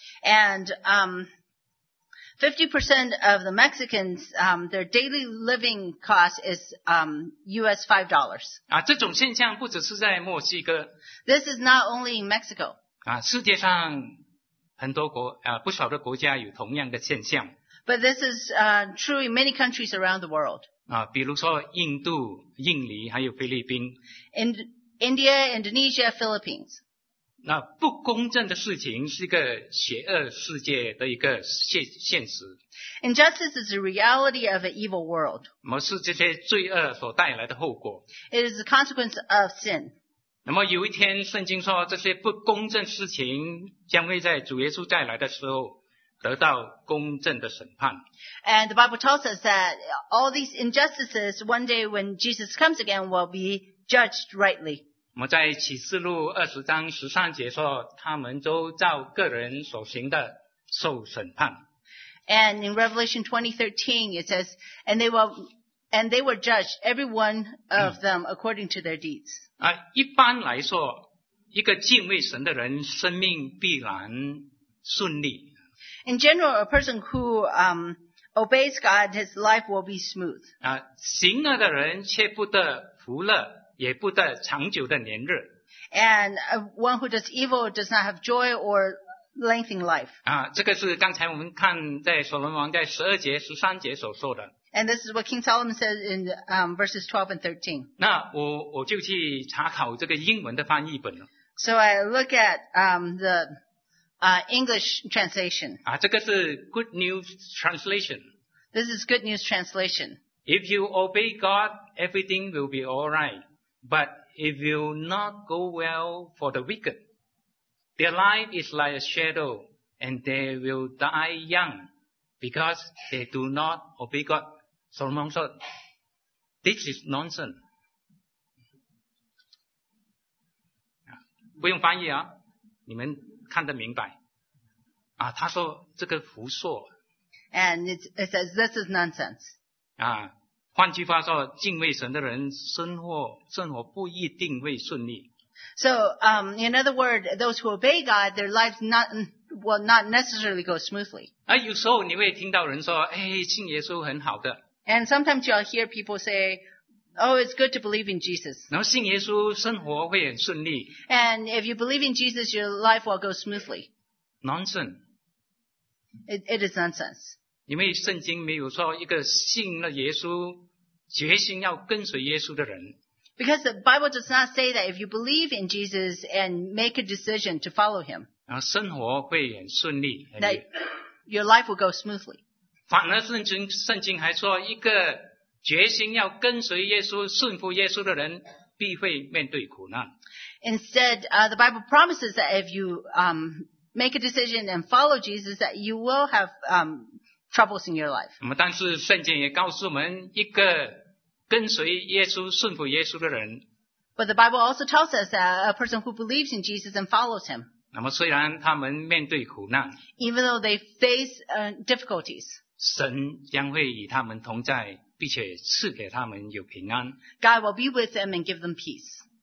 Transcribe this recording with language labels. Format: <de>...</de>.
<en>And 50% of the Mexicans, their daily living cost is US$5.</en> <zh>啊，这种现象不只是在墨西哥。</zh> <en>This is not only in Mexico.</en> <zh>啊，世界上很多国啊，不少的国家有同样的现象。</zh> <en>But this is true in many countries around the world.</en> <zh>啊，比如说印度、印尼还有菲律宾。</zh> <en>India, Indonesia, Philippines.</en> <zh>那不公正的事情是一个邪恶世界的一个现实。</zh> <en>Injustice is the reality of an evil world.</en> <zh>那么是这些罪恶所带来的后果。 It is the consequence of sin. 那么有一天圣经说这些不公正事情将会在主耶稣再来的时候得到公正的审判。</zh> <en>And the Bible tells us that all these injustices, one day when Jesus comes again, will be judged rightly.</en> <zh>我们在启示录二十章十三节说，他们都照个人所行的受审判。</zh> <en>And in Revelation 20:13, it says, and they were judged, every one of them, according to their deeds.</en> <zh>一般来说，一个敬畏神的人，生命必然顺利。</zh> <en>In general, a person who obeys God, his life will be smooth.</en> <zh>行恶的人却不得福乐，也不得长久的年日。</zh> <en>And one who does evil does not have joy or lengthened life.</en> <zh>这个是刚才我们看在所罗门王在十二节、十三节所说的。</zh> <en>And this is what King Solomon says in verses 12 and 13.</en> <zh>那我就去查考这个英文的翻译本了。</zh> <en>So I look at the English translation.</en> <zh>这个是</zh> <en>Good News Translation. This is Good News Translation. If you obey God, everything will be alright. But it will not go well for the wicked. Their life is like a shadow, and they will die young because they do not obey God. Solomon said, this is nonsense.</en> <zh>不用翻译啊，你们看得明白啊。他说这个胡说。</zh> <en>And it says this is nonsense.</en> <zh>换句话说，敬畏神的人生活不一定会顺利。</zh> <en>So, in other words, those who obey God, their lives will not necessarily go smoothly.</en> <zh>有时候你会听到人说，哎，信耶稣很好的。</zh> <en>And sometimes you'll hear people say,Oh, it's good to believe in Jesus.</en> <zh>然后信耶稣生活会很顺利。</zh> <en>And if you believe in Jesus, your life will go smoothly. Nonsense. It is nonsense.</en> <zh>因为圣经没有说一个信了耶稣，决心要跟随耶稣的人。</zh> <en>Because the Bible does not say that if you believe in Jesus and make a decision to follow him,</en> <zh>然后生活会很顺利。</zh> <en>That your life will go smoothly.</en> <zh>反而圣经还说一个决心要跟随耶稣、顺服耶稣的人，必会面对苦难。</zh> <en>Instead, the Bible promises that if you make a decision and follow Jesus, that you will have troubles in your life.</en> <zh>但是圣经也告诉我们，一个跟随耶稣、顺服耶稣的人。</zh> <en>But the Bible also tells us that a person who believes in Jesus and follows him.</en> <zh>那么虽然他们面对苦难</zh> <en>，even though they face difficulties,</en> <zh>神将会与他们同在。并且赐给他们有平安。</zh> <en>God will be with them and give them peace.</en>